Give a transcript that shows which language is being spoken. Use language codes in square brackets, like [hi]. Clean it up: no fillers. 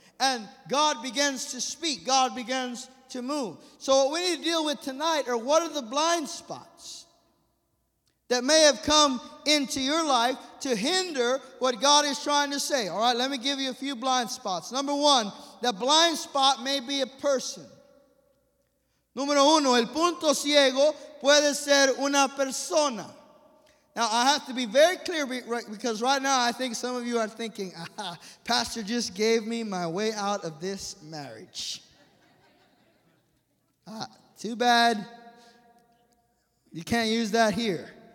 [en] And God begins to speak. God begins to move. So what we need to deal with tonight are, what are the blind spots that may have come into your life to hinder what God is trying to say? All right, let me give you a few blind spots. Number one, the blind spot may be a person. [es] Número uno, el punto ciego puede ser una persona. [en] Now, I have to be very clear because right now I think some of you are thinking, aha, Pastor just gave me my way out of this marriage. Too bad. You can't use that here.